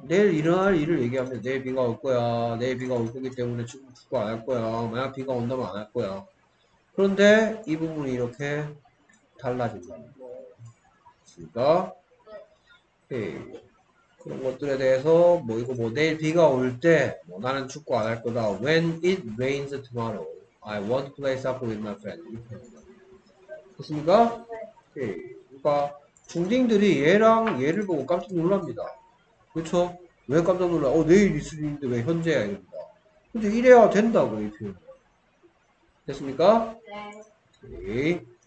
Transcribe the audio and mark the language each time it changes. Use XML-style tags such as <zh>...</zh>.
<ko>내일 일어날 일을 얘기하면 내일 비가 올 거야. 내일 비가 올 거기 때문에 지금 축구 안 할 거야. 만약 비가 온다면 안 할 거야. 그런데 이 부분이 이렇게 달라진다. 됐습니까? 그런 것들에 대해서 뭐 이거 뭐 내일 비가 올 때 뭐 나는 축구 안 할 거다.</ko> <en>When it rains tomorrow, I want to play soccer with my friend.</en> <ko>그렇습니까? 네. 그러니까 중딩들이 얘랑 얘를 보고 깜짝 놀랍니다. 그렇죠? 왜 깜짝 놀라? 내일 있을 일인데 왜 현재야 이럽니다. 근데 이래야 된다고 이 표현. 됐습니까? 네. 오케이.</ko>